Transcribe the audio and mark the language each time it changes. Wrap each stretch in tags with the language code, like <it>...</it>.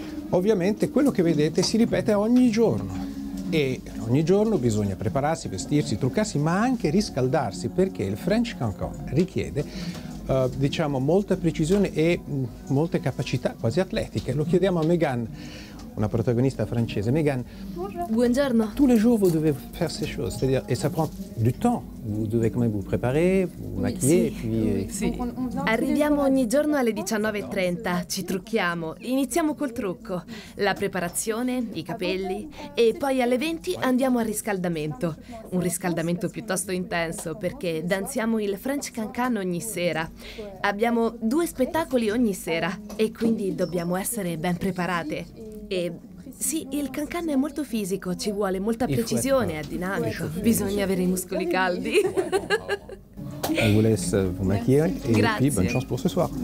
<it>Ovviamente quello che vedete si ripete ogni giorno. E ogni giorno bisogna prepararsi, vestirsi, truccarsi, ma anche riscaldarsi, perché il French Cancan richiede molta precisione e molte capacità quasi atletiche. Lo chiediamo a Megan, una protagonista francese. Megan. Buongiorno.</it> <fr>Tous les jours, vous devez faire ces choses. C'est-à-dire, et ça prend du temps. Vous devez quand même vous préparer, vous maquiller,</fr> <it>sì,</it> <fr>et puis.</fr> <it>Sì. Arriviamo ogni giorno alle 19:30. Ci trucchiamo. Iniziamo col trucco. La preparazione, i capelli. E poi alle 20 andiamo al riscaldamento. Un riscaldamento piuttosto intenso, perché danziamo il French Cancan ogni sera. Abbiamo due spettacoli ogni sera. E quindi dobbiamo essere ben preparate. E. Sì, il cancan è molto fisico, ci vuole molta precisione, è dinamico. Bisogna avere i muscoli caldi.</it> <fr>Je vous laisse vous maquiller e puis bonne chance pour ce soir.</fr>